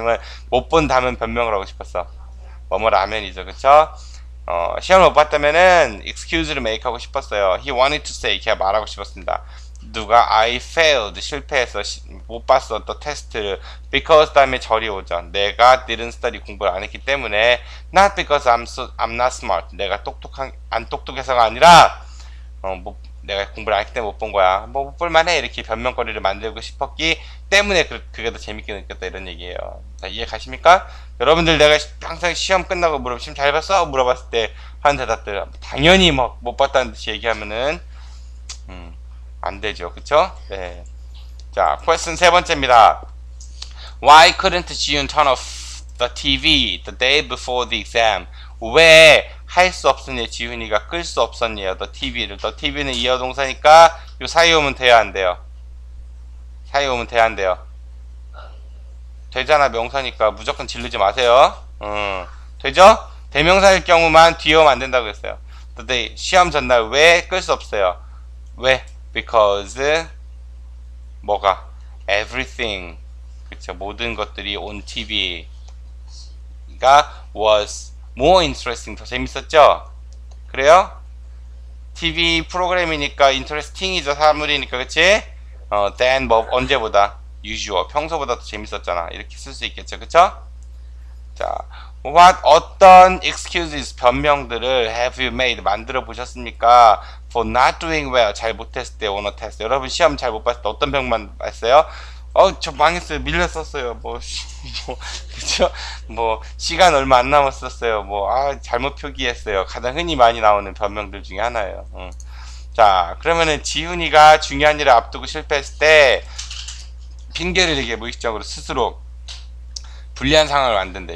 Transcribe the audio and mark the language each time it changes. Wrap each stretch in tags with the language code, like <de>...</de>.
<ko>아니면 못 본다면 변명을 하고 싶었어. 뭐뭐 라면이죠. 그쵸? 시험을 못 봤다면은 excuse를 make 하고 싶었어요.</ko> <en>He wanted to say.</en> <ko>걔가 말하고 싶었습니다. 누가</ko> <en>I failed.</en> <ko>실패했어. 못 봤어. 또 테스트를. Because 다음에 절이 오죠.</ko> <en>내가 didn't study.</en> <ko>공부를 안 했기 때문에.</ko> <en>Not because I'm not smart.</en> <ko>내가 똑똑한, 안 똑똑해서가 아니라, 뭐, 내가 공부를 안 했기 때문에 못본 거야. 뭐, 못 볼만해. 이렇게 변명거리를 만들고 싶었기 때문에 그게 더 재밌게 느꼈다. 이런 얘기예요. 자, 이해 가십니까? 여러분들 내가 항상 시험 끝나고 물어보면, 시험 잘 봤어? 물어봤을 때 하는 대답들. 당연히 막못 봤다는 듯이 얘기하면은, 안 되죠. 그쵸? 네. 자, 퀘스천 세 번째입니다.</ko> <en>Why couldn't June turn off the TV the day before the exam?</en> <ko>왜할수 없었냐, 지훈이가 끌수 없었냐, the TV를. The TV는 이어 동사니까 요 사이 오면 돼야 안 돼요. 사이 오면 돼야 안 돼요. 되잖아, 명사니까 무조건 질르지 마세요. 되죠? 대명사일 경우만 뒤에 오면 안 된다고 했어요. The day, 시험 전날 왜끌수 없어요? 왜? Because 뭐가? Everything. 그쵸? 모든 것들이</ko> <en>on TV가 was more interesting.</en> <ko>더 재밌었죠? 그래요? TV 프로그램이니까 interesting이죠. 사물이니까. 그치? than 뭐, 언제보다? usual. 평소보다 더 재밌었잖아. 이렇게 쓸수 있겠죠. 그쵸? 자, what 어떤 excuses, 변명들을</ko> <en>have you made,</en> <ko>만들어 보셨습니까?</ko> <en>For not doing well,</en> <ko>잘 못했을 때,</ko> <en>or not 했어요.</en> <ko>여러분, 시험 잘못 봤을 때 어떤 병만 봤어요? 저 망했어요. 밀렸었어요. 그쵸? 뭐, 시간 얼마 안 남았었어요. 뭐, 잘못 표기했어요. 가장 흔히 많이 나오는 변명들 중에 하나예요. 자, 그러면은 지훈이가 중요한 일을 앞두고 실패했을 때, 핑계를 되게 무의식적으로 스스로 불리한 상황을 만든대.</ko>